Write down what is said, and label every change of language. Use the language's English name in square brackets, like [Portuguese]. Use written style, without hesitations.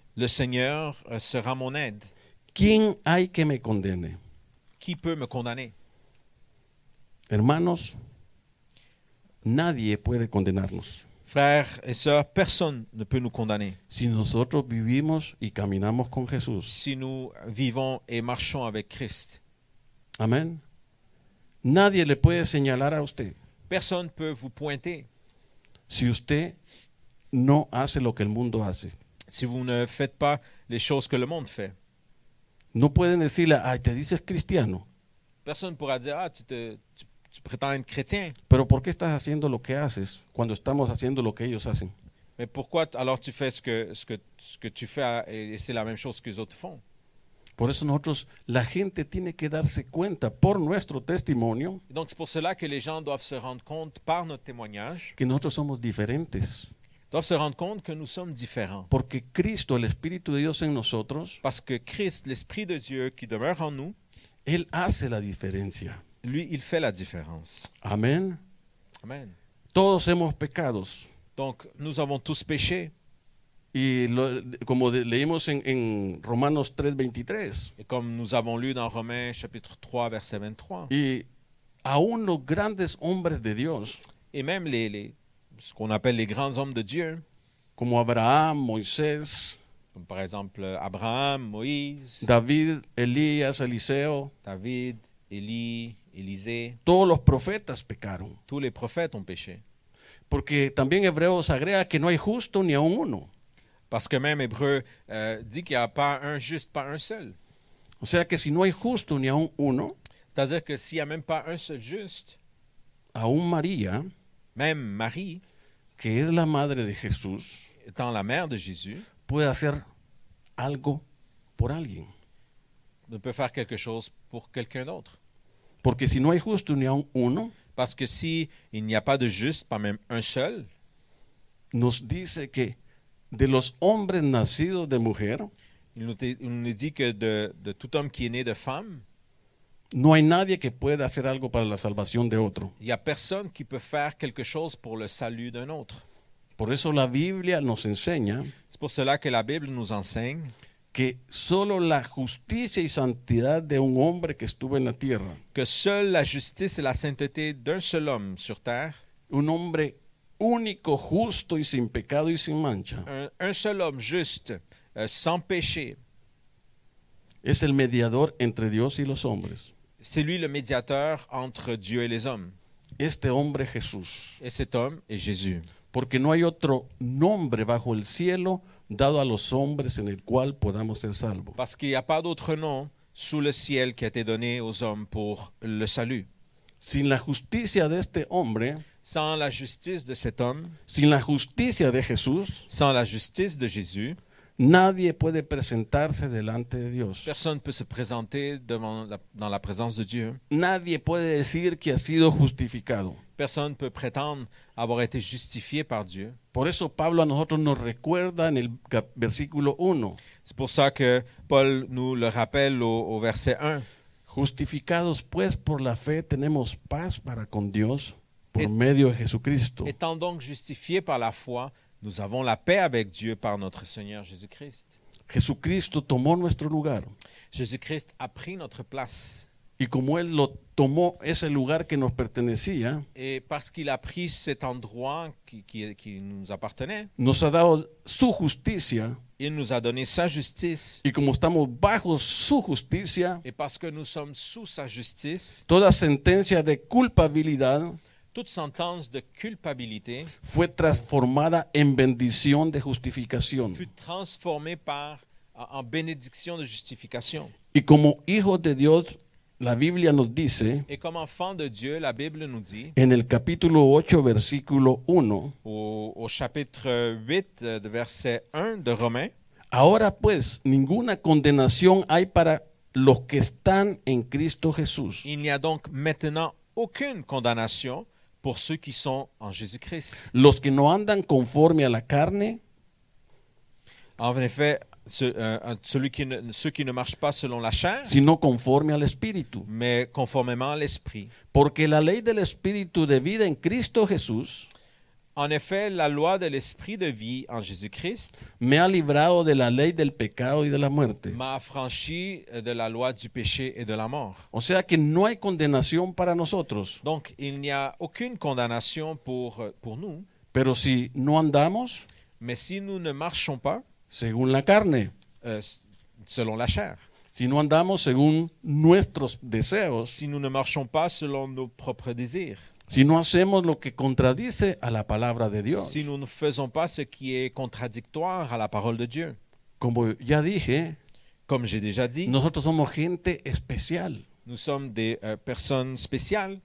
[French] Le Seigneur sera mon aide. [Spanish] ¿Quién hay que me condene? [French] Qui peut me condamner? [Spanish] Hermanos, nadie puede condenarnos. [French] Frères et sœurs, personne ne peut nous condamner. [Spanish] Si nosotros vivimos y caminamos con Jesús. [French] Si nous vivons et marchons avec Christ. Amen. [Spanish] Nadie le puede señalar a usted. [French] Personne peut vous pointer. [Spanish] Si usted no hace lo que el mundo hace. [French] Si vous ne faites pas les choses que le monde fait. [Spanish] No pueden decirle, ay, te dices cristiano. [French] Personne pourra dire, ah, tu prétends être chrétien. [Spanish] Pero ¿por qué estás haciendo lo que haces cuando estamos haciendo lo que ellos hacen? [French] Mais pourquoi alors tu fais ce que tu fais et c'est la même chose que les autres font? [Spanish] Por eso nosotros, la gente tiene que darse cuenta por nuestro testimonio. [French] Donc c'est pour cela que les gens doivent se rendre compte par notre témoignage. [Spanish] Que nosotros somos diferentes. [French] Doivent se rendre compte que nous sommes différents. [Spanish] Porque Cristo, el Espíritu de Dios en nosotros. [French] Parce que Christ, l'Esprit de Dieu qui demeure en nous. [Spanish] Él hace la diferencia. [French] Lui, il fait la différence. Amen. Amen. [Spanish] Todos hemos pecados. [French] Donc nous avons tous péché. [Spanish] Y como leímos en Romanos 3:23. [French] Et comme nous avons lu dans Romains chapitre 3 verset 23. [Spanish] Y aún los grandes hombres de Dios. [French] Et même les ce qu'on appelle les grands hommes de Dieu. [Spanish] Como Abraham, Moisés. [French] Comme par exemple Abraham, Moïse. [Spanish] David, Elías, Eliseo. [French] David, Élie, Élisée. [Spanish] Todos los profetas pecaron. [French] Tous les prophètes ont péché. [Spanish] Porque también Hebreos agrega que no hay justo ni aun uno. [French] Parce que même Hébreu dit qu'il n'y a pas un juste, pas un seul. [Spanish] O sea que si no hay justo ni aun uno. [French] C'est-à-dire que s'il n'y a même pas un seul juste. [Spanish] Aun María. [French] Même Marie. [Spanish] Que es la madre de Jesús. [French] Étant la mère de Jésus. [Spanish] Puede hacer algo por alguien. [French] Ne peut faire quelque chose pour quelqu'un d'autre. [Spanish] Porque si no hay justo ni aun uno. [French] Parce que si il n'y a pas de juste, pas même un seul. [Spanish] Nos dice que. De los hombres nacidos de mujer. [French] Il nous dit que de tout homme qui est né de femme. [Spanish] No hay nadie que pueda hacer algo para la salvación de otro. [French] Il y a personne qui peut faire quelque chose pour le salut d'un autre. [Spanish] Por eso la Biblia nos enseña. [French] C'est pour cela que la Bible nous enseigne. [Spanish] Que solo la justicia y santidad de un hombre que estuvo en la tierra. [French] Que seule la justice et la sainteté d'un seul homme sur terre. [Spanish] Un hombre único, justo y sin pecado y sin mancha. [French] Un seul homme juste, sans péché. [Spanish] Es el mediador entre Dios y los hombres. [French] C'est lui le médiateur entre Dieu et les hommes. [Spanish] Este hombre Jesús. [French] Et cet homme est Jésus. [Spanish] Porque no hay otro nombre bajo el cielo dado a los hombres en el cual podamos ser salvos. [French] Parce qu'il n'y a pas d'autre nom sous le ciel qui a été donné aux hommes pour le salut. [Spanish] Sin la justicia de este hombre, [French] sans la justice de cet homme, [Spanish] sin la justicia de Jesús, [French] sans la justice de Jésus, [Spanish] nadie puede presentarse delante de Dios. [French] Personne peut se présenter devant la, dans la présence de Dieu. [Spanish] Nadie puede decir que ha sido justificado. [French] Personne peut prétendre avoir été justifié par Dieu. [Spanish] Por eso Pablo a nosotros nos recuerda en el versículo 1. [French] C'est pour ça que Paul nous le rappelle au, au verset 1. [Spanish] Justificados pues por la fe tenemos paz para con Dios por medio de Jesucristo. [French] Étant donc justifiés par la foi, nous avons la paix avec Dieu par notre Seigneur Jésus-Christ. [Spanish] Jesucristo tomó nuestro lugar. [French] Jésus-Christ a pris notre place. [Spanish] Y como él lo tomó ese lugar que nos pertenecía, [French] et parce qu'il a pris cet endroit qui nous appartenait, [Spanish] nos ha dado su justicia. [French] Il nous a donné sa justice. [Spanish] Y como estamos bajo su justicia, [French] et parce que nous sommes sous sa justice, [Spanish] toda sentencia de culpabilidad, [French] toute sentence de culpabilité, [Spanish] fue transformada en bendición de justificación. [French] Fut transformée par en bénédiction de justification. [Spanish] Y como hijos de Dios, la Biblia nos dice, [French] et comme enfants de Dieu, la Bible nous dit, [Spanish] en el capítulo 8, versículo 1, [French] au chapitre 8, de verset 1 de Romains, [Spanish] ahora pues, ninguna condenación hay para los que están en Cristo Jesús. [French] Il n'y a donc maintenant aucune condamnation pour ceux qui sont en Jésus-Christ. [Spanish] Los que no andan conforme a la carne, [French] en effet, ceux qui ne marchent pas selon la chair, [Spanish] sino conforme al espíritu, [French] mais conformément à l'esprit. [Spanish] Porque la ley del espíritu de vida en Cristo Jesús, [French] en effet, la loi de l'esprit de vie en Jésus-Christ, [Spanish] me ha librado de la ley del pecado y de la muerte, [French] m'a affranchi de la loi du péché et de la mort. [Spanish] O sea que no hay condenación para nosotros. [French] Donc il n'y a aucune condamnation pour nous. [Spanish] Pero si no andamos, [French] mais si nous ne marchons pas, [Spanish] según la carne, [French] selon la chair, [Spanish] si no andamos según nuestros deseos, [French] si nous ne marchons pas selon nos propres désirs, [Spanish] si no hacemos lo que contradice a la palabra de Dios, [French] si nous ne faisons pas ce qui est contradictoire à la parole de Dieu, [Spanish] como ya dije, [French] comme j'ai déjà dit, [Spanish] nosotros somos gente especial, [French] nous sommes des personnes spéciales,